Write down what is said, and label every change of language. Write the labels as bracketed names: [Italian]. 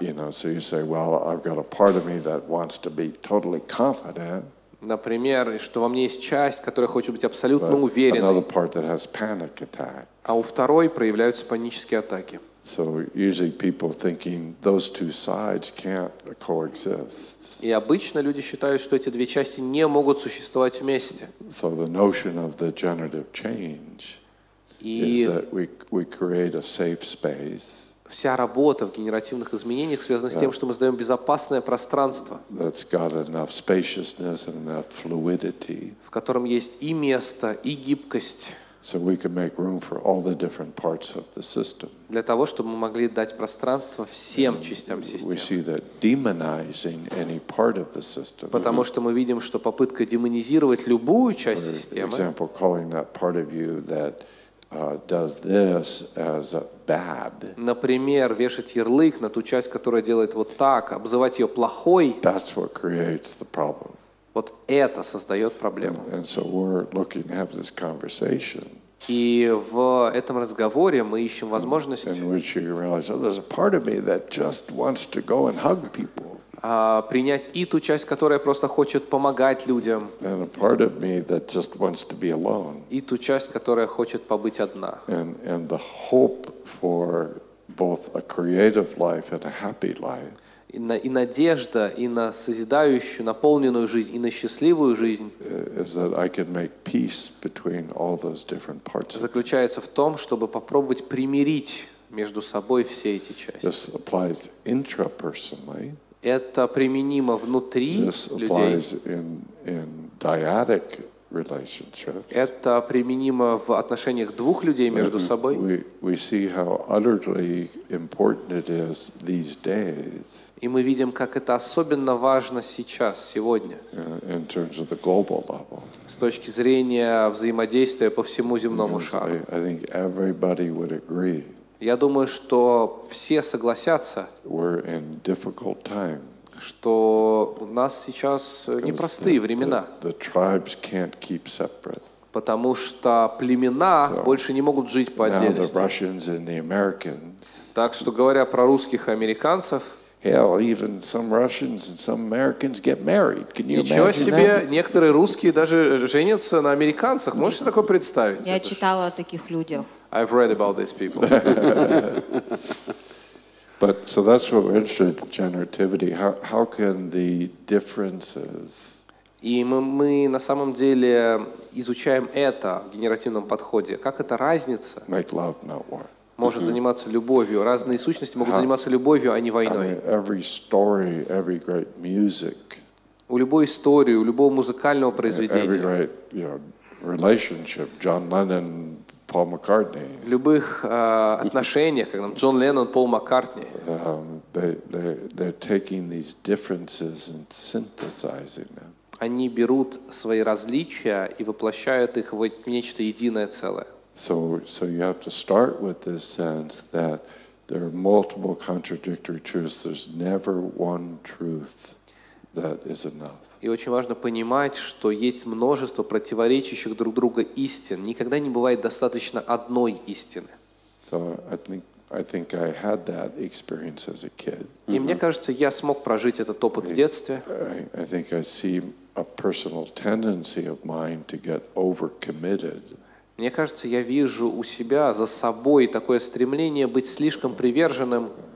[English] You know, so you say, well, I've got a part of me that wants to be totally confident. [Russian] Например, что во мне есть часть, которая хочет быть абсолютно уверенной. [English] Another part that has panic attacks. [Russian] А у второй проявляются панические атаки. [English] So usually people thinking those two sides can't coexist. [Russian] И обычно люди считают, что эти две части не могут существовать вместе. [English] So the notion of the generative change. Is that we create a safe space. [Russian] Вся работа в генеративных изменениях связана с тем, что мы создаем безопасное пространство. [English] That's got enough spaciousness and enough fluidity. [Russian] В котором есть и место, и гибкость. [English] So we can make room for all the different parts of the system. [Russian] Для того, чтобы мы могли дать пространство всем частям системы. [English] We see that demonizing any part of the system. [Russian] Потому что мы видим, что попытка демонизировать любую часть системы. [English] For example, calling that part of you that does this as a bad. [Russian] Например, вешать ярлык на ту часть, которая делает вот так, обзывать ее плохой. [English] That's what creates the problem. [Russian] Вот это создает проблему. [English] And so we're looking to have this conversation. [Russian] И в этом разговоре мы ищем возможность. [English] In which you realize, oh, there's a part of me that just wants to go and hug people. [Russian] Принять и ту часть, которая просто хочет помогать людям. [English] And a part of me that just wants to be alone. [Russian] И ту часть, которая хочет побыть одна. [English] And the hope for both a creative life and a happy life. [Russian] И надежда и на созидающую, наполненную жизнь, и на счастливую жизнь заключается в том, чтобы попробовать примирить между собой все эти части. [English] This applies intrapersonally. [Russian] Это применимо внутри людей. [English] In dyadic relationships. [Russian] Это применимо в отношениях двух людей между собой. [English] We see how utterly important it is these days. [Russian] И мы видим, как это особенно важно сейчас, сегодня. [English] In terms of the global level. [Russian] С точки зрения взаимодействия по всему земному шару. [English] I think everybody would agree. [Russian] Я думаю, что все согласятся, [English] we're in difficult time, [Russian] что у нас сейчас непростые времена. [English] The tribes can't keep separate. [Russian] Потому что племена so, больше не могут жить по отдельности. [English] Now the Russians and the Americans, [Russian] так что говоря про русских и американцев, [English] hell, even some Russians and some Americans get married. Can you [Russian] ничего [English] imagine [Russian] себе, [English] that? [Russian] Некоторые русские даже женятся на американцах. Можете себе такое представить? Я читала о таких людях. [English] I've read about these people. But so that's what we're interested in, generativity. How can the differences? [Russian] И мы на самом деле изучаем это в генеративном подходе. Как эта разница? [English] Make love, not war. [Russian] Может заниматься любовью. Разные сущности могут заниматься любовью, а не войной. [English] Every story, every great music. [Russian] у любой истории, у любого музыкального произведения. [English] Every great, you know, relationship, John Lennon, Paul McCartney. [Russian] В любых отношениях, как там, Джон Леннон, Пол Маккартни. [English] They're taking these differences and synthesizing them. [Russian] Они берут свои различия и воплощают их в нечто единое целое. [English] So you have to start with this sense that there are multiple contradictory truths. There's never one truth that is enough. [Russian] И очень важно понимать, что есть множество противоречащих друг друга истин. Никогда не бывает достаточно одной истины. [English] So I think I had that experience as a kid. [Russian] И мне кажется, я смог прожить этот опыт в детстве. [English] I think I see a personal tendency of mine to get overcommitted. [Russian] Мне кажется, я вижу у себя за собой такое стремление быть слишком приверженным.